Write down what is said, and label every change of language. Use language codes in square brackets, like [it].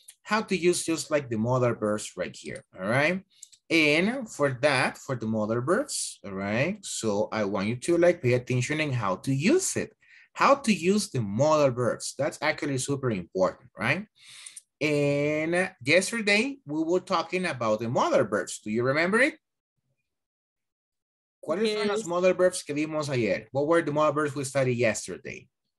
[en] How to use just like the mother verbs right here. All right. And for that, for the mother verbs. All right. So I want you to, like, pay attention and how to use it. How to use the mother verbs. That's actually super important. Right. And yesterday, we were talking about the mother verbs. Do you remember it? [es] ¿Cuáles son las mother verbs que vimos ayer? [en] What were the mother verbs we studied yesterday?